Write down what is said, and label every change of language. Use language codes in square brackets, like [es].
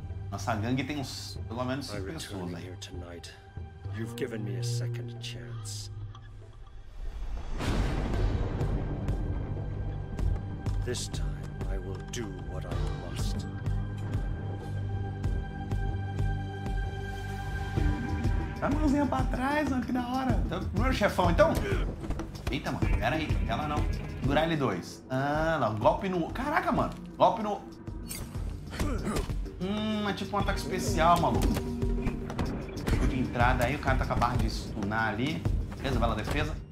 [pt] Nossa gangue tem uns pelo menos 5 pessoas aí. [en] You've given me a second chance. This time I will do what I must. [pt] Dá a mãozinha pra trás, mano, que da hora. Então, primeiro chefão, então. Eita, mano, pera aí, ela não. Segurar ele dois. Ah, não, golpe no... Caraca, mano, golpe no... é tipo um ataque especial, maluco. De entrada aí, o cara tá com a barra de stunar ali. Beleza, vai lá, defesa.